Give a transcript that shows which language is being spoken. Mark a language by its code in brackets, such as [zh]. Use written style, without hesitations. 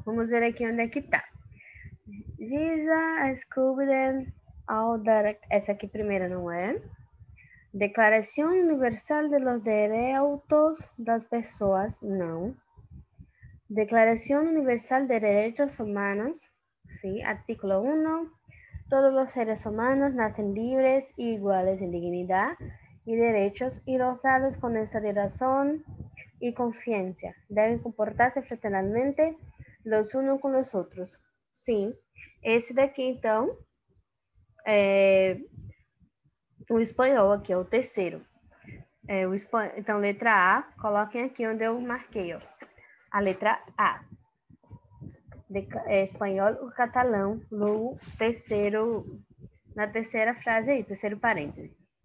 [pt] Vamos ver aqui onde é que tá. Giza, Escobar, Aldar. Essa aqui primeira não é. Declaração Universal de los Derechos das Pessoas, não. Declaração Universal de Direitos Humanos. [es] Sí, artículo 1. Todos los seres humanos nacen libres y iguales en dignidad y derechos y dotados con esa de razón y conciencia. Deben comportarse fraternalmente los unos con los otros. [pt] Sí, ese de aqui, então, o espanhol aqui é o terceiro. Então, letra A, coloquem aqui onde eu marquei, ó. A letra A. Espanhol, o catalão, no terceiro, na terceira frase aí, terceiro parêntese.